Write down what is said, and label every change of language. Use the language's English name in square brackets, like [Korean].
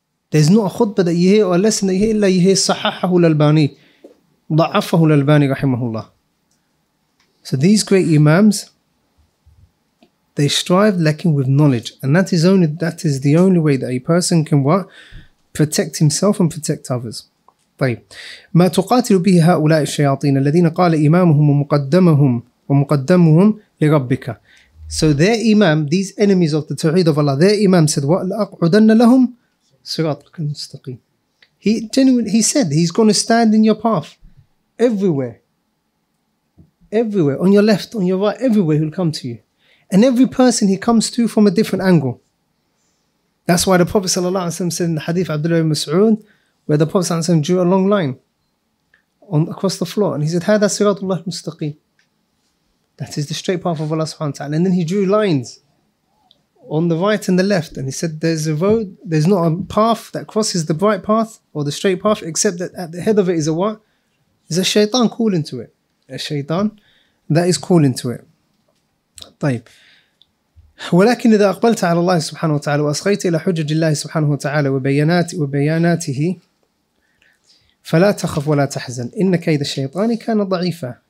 [English] There's not a khutbah that you hear or a lesson that you hear, illa you hear [Arabic] sahahahu al-Albani, da'afahu al-Albani rahimahullah. [English] So these great imams, they strive lacking with knowledge. And that is the only way that a person can what? Protect himself and protect others. [Arabic] طيب. ما تقاتل به هؤلاء الشياطين الذين قال إمامهم ومقدمهم لربك. [English] So their imam, these enemies of the Tawheed of Allah, their imam said, [Arabic] وَأَقْعُدَنَّ لَهُمْ Siratul Mustaqim. [English] He said he's going to stand in your path everywhere, on your left, on your right, everywhere he'll come to you. And every person he comes to from a different angle. That's why the Prophet sallallahu alaihi wasallam said in the hadith Abdullah ibn Mas'ud, where the Prophet sallallahu alaihi wasallam drew a long line on across the floor, and he said, [Arabic] "Hada Siratul Mustaqim." [English] That is the straight path of Allah subhanahu wa ta'ala. And then he drew lines on the right and the left. And he said, there's a road, there's not a path that crosses the bright path or the straight path, except that at the head of it is a what? Is a shaitan calling to it. A shaitan that is calling to it. [Arabic] طيب. ولكن إذا أقبلت على الله سبحانه وتعالى وأصغيت إلى حجج الله سبحانه وتعالى وبياناته فلا تخف ولا تحزن إن كيد الشيطان كان ضعيفا.